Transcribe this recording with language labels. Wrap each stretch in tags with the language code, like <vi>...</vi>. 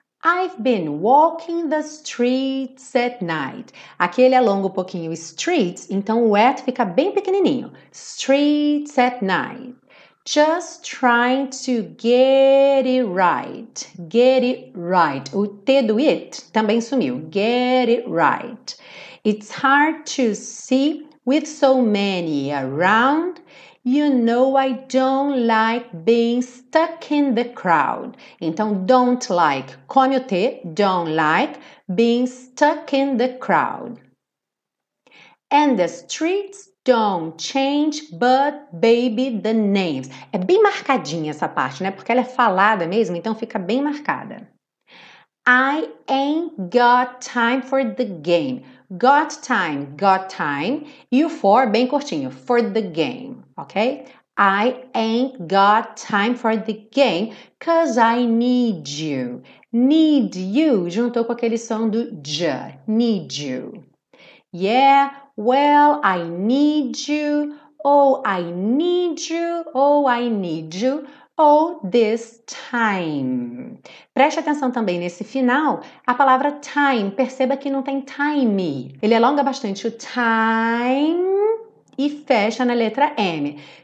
<en>I've been walking the streets at night.</en> <pt>Aqui ele alonga um pouquinho streets, então o at fica bem pequenininho.</pt> <en>Streets at night. Just trying to get it right. Get it right.</en> <pt>O T do it também sumiu.</pt> <en>Get it right. It's hard to see with so many around. You know I don't like being stuck in the crowd. Então, don't like.</en> <pt>Come o T.</pt> <en>Don't like being stuck in the crowd. And the streets don't change, but baby, the names.</en> <pt>É bem marcadinha essa parte, né? Porque ela é falada mesmo, então fica bem marcada.</pt> <en>I ain't got time for the game. Got time, got time.</en> <pt>E o for, bem curtinho,</pt> <en>for the game, ok? I ain't got time for the game, 'cause I need you. Need you,</en> <pt>juntou com aquele som do j, need you.</pt> <en>Yeah, well, I need you, oh, I need you, oh, I need you, oh, this time.</en> <pt>Preste atenção também nesse final, a palavra time, perceba que não tem time. Ele alonga bastante o time e fecha na letra M.</pt>